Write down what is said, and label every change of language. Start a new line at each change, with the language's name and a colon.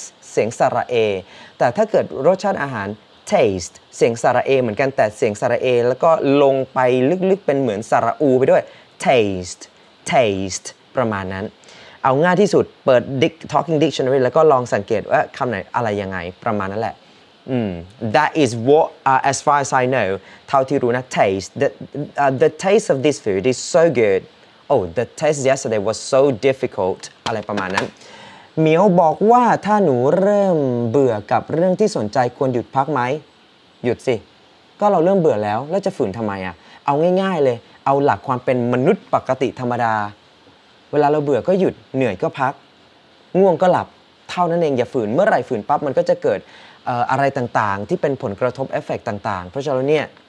Thai: เสียงสระเอแต่ถ้าเกิดรสชาติอาหาร taste เสียงสระเอเหมือนกันแต่เสียงสระเอแล้วก็ลงไปลึกๆเป็นเหมือนสระอูไปด้วยTaste ประมาณนั้นเอาง่ายที่สุดเปิด Talking Dictionary แล้วก็ลองสังเกตว่าคำไหนอะไรยังไงประมาณนั้นแหละ
English: That is what, as far as I know, Tautiruna taste. The taste of this food is so good. Oh, the test yesterday was so difficult.
Thai: อะไรประมาณนั้นเมียวบอกว่าถ้าหนูเริ่มเบื่อกับเรื่องที่สนใจควรหยุดพักไหมหยุดสิก็เราเริ่มเบื่อแล้วแล้วจะฝืนทำไมอ่ะเอาง่ายๆเลยเอาหลักความเป็นมนุษย์ปกติธรรมดา เวลาเราเบื่อก็หยุดเหนื่อยก็พักง่วงก็หลับเท่านั้นเองอย่าฝืนเมื่อไหร่ฝืนปั๊บมันก็จะเกิดอะไรต่างๆที่เป็นผลกระทบเอฟเฟกต์ต่างๆเพราะฉะนั้นเนี่ย